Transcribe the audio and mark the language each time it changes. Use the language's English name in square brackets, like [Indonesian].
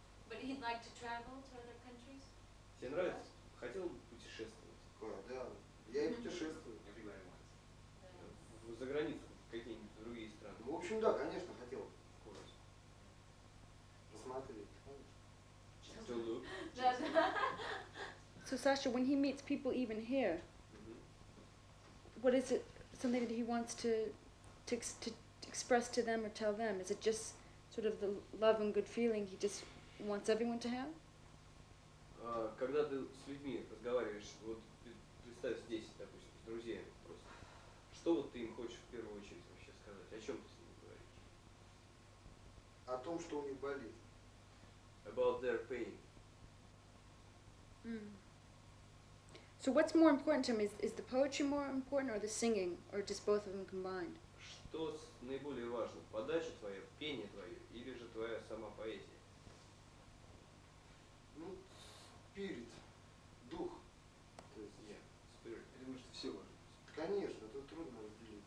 [English] But he'd like to travel to other countries? [Russian] Тебе нравится? Хотел бы путешествовать? Да, я и путешествую. [English] Everybody wants. [Russian] За границу, в какие-нибудь другие страны? В общем, да, конечно, хотел бы. Смотри, помнишь? [English] So Sasha, when he meets people even here, what is it, something that he wants to express to them or tell them? Is it just sort of the love and good feeling he just wants everyone to have? [Russian] Когда ты с людьми разговариваешь, вот представь здесь, допустим, с друзьями просто, что вот ты им хочешь в первую очередь вообще сказать? О чем ты с ними говоришь? том, что у них болит. [English] About their pain. Mm. So what's more important to him? Is the poetry more important or the singing? Or just both of them combined? [Russian] Что наиболее важно? Подача твоя, пение твое, или же твоя сама поэзия? Ну, спирит, дух. То есть я, спирит. Потому что все важно. Конечно, это трудно разделить.